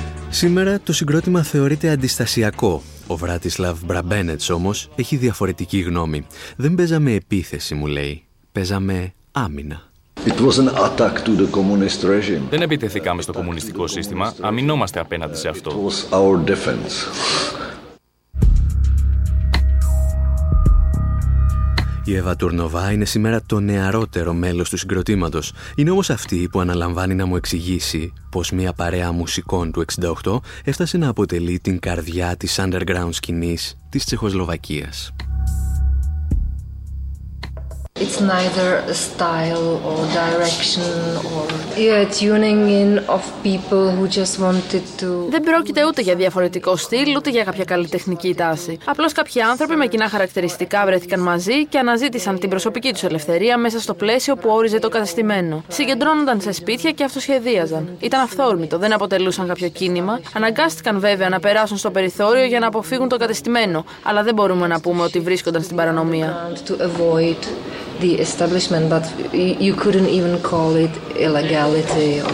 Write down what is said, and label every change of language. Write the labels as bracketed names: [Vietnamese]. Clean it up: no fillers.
[Greek] Σήμερα το συγκρότημα θεωρείται αντιστασιακό. Ο Βράτισλαβ Μπραμπένετς όμως έχει διαφορετική γνώμη. Δεν παίζαμε επίθεση, μου λέει. Παίζαμε άμυνα. [English] It was an attack to the communist regime. [Greek] Δεν επιτεθήκαμε στο κομμουνιστικό σύστημα. Αμυνόμαστε απέναντι σε αυτό. [English] It was our defense. [Greek] Η Εύα Τουρνοβά είναι σήμερα το νεαρότερο μέλος του συγκροτήματος. Είναι όμως αυτή που αναλαμβάνει να μου εξηγήσει πως μια παρέα μουσικών του 68 έφτασε να αποτελεί την καρδιά της underground σκηνής της Τσεχοσλοβακίας. [English] It's neither a style or direction or a tuning in of people who just wanted to. [Greek] Δεν πρόκειται ούτε για διαφορετικό στυλ, ούτε για κάποια καλλιτεχνική τάση. Απλώς κάποιοι άνθρωποι με κοινά χαρακτηριστικά βρέθηκαν μαζί και αναζήτησαν την προσωπική τους ελευθερία μέσα στο πλαίσιο που όριζε το καταστημένο. Συγκεντρώνονταν σε σπίτια και αυτοσχεδίαζαν. Ήταν αυθόρμητο, δεν αποτελούσαν κάποιο κίνημα. Αναγκάστηκαν βέβαια να περάσουν στο περιθώριο για να αποφύγουν το καταστημένο, αλλά δεν μπορούμε να πούμε ότι βρίσκονταν στην παρανομία. [English] The establishment, but you couldn't even call it illegality.